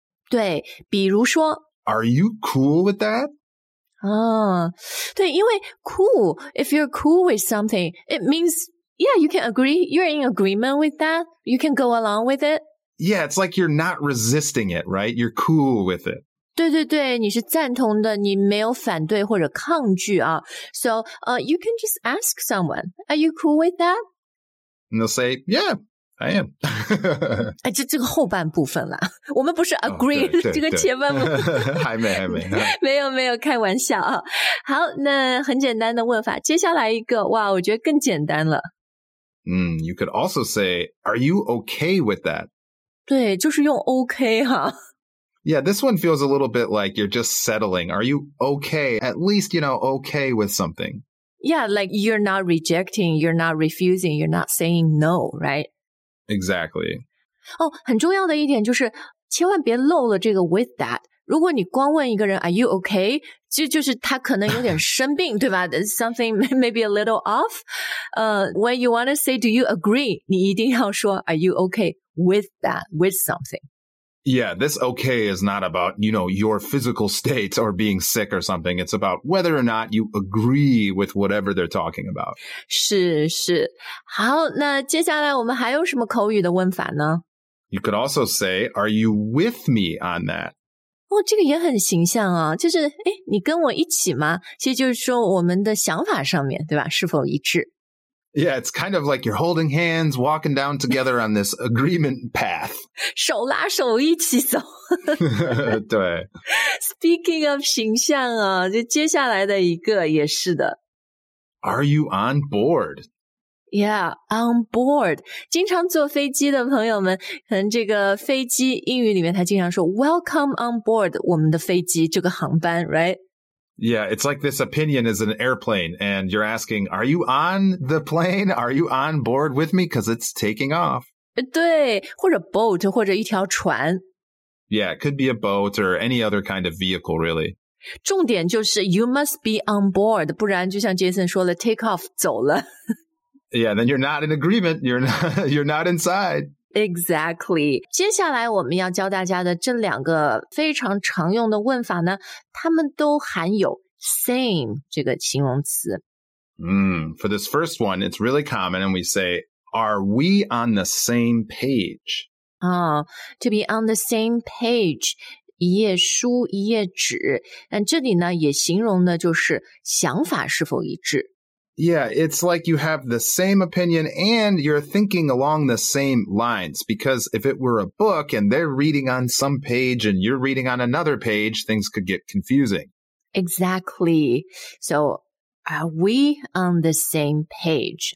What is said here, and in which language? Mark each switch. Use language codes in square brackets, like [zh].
[zh] 对，比如说 [en] Are you cool with that? [zh] 对，因为 [en] cool, if you're cool with something, it means, yeah, you can agree, you're in agreement with that, you can go along with it. Yeah, it's like you're not resisting it, right? You're cool with it. [zh] 对对对，你是赞同的，你没有反对或者抗拒啊。 [en] So, you can just ask someone, are you cool with that? And they'll say, yeah. I am. [zh] 哎，这个后半部分啦，我们不是 agree、 oh, 这个前半部分。还没。没有没有，开玩笑啊。好，那很简单的问法，接下来一个，哇，我觉得更简单了。 [en] You could also say, are you okay with that? [zh] 对，就是用 OK 哈。 [en] Yeah, this one feels a little bit like you're just settling. Are you okay? At least, you know, okay with something. Yeah, like you're not rejecting, you're not refusing, you're not saying no, right? Exactly. [zh] 哦，很重要的一点就是千万别漏了这个 [en] with that. [zh] 如果你光问一个人 [en] are you okay? [zh] 就是他可能有点生病对吧 ? [en] Something maybe a little off. When you want to say do you agree? [zh] 你一定要说 [en] are you okay with that, with something. Yeah, this okay is not about, you know, your physical state or being sick or something. It's about whether or not you agree with whatever they're talking about. [zh] 是是。好，那接下来我们还有什么口语的问法呢？ [en] You could also say, are you with me on that? [zh] 哦，这个也很形象啊，就是，诶，你跟我一起吗？其实就是说我们的想法上面，对吧？是否一致？ [en] Yeah, it's kind of like you're holding hands, walking down together on this agreement path. [zh] 手拉手一起走。对。 [en] Speaking of [zh] 形象啊，就接下来的一个也是的。 [en] Are you on board? Yeah, on board. [zh] 经常坐飞机的朋友们，可能这个飞机英语里面他经常说 [en] welcome on board [zh] 我们的飞机这个航班 [en] right? Yeah, it's like this opinion is an airplane, and you're asking, are you on the plane? Are you on board with me? Because it's taking off. [zh] 对,或者 boat, 或者一条船。 [en] Yeah, it could be a boat or any other kind of vehicle, really. [zh] 重点就是 [en] you must be on board, [zh] 不然就像 Jason 说了 [en] take off, [zh] 走了。 [en] Yeah, then you're not in agreement, you're not inside. Exactly. [zh] 接下来我们要教大家的这两个非常常用的问法呢，它们都含有 same 这个形容词。 [en] For this first one, it's really common, and we say, are we on the same page? To be on the same page, [zh] 一页书一页纸。但这里呢，也形容的就是想法是否一致。 [en] Yeah, it's like you have the same opinion and you're thinking along the same lines. Because if it were a book and they're reading on some page and you're reading on another page, things could get confusing. Exactly. So, are we on the same page?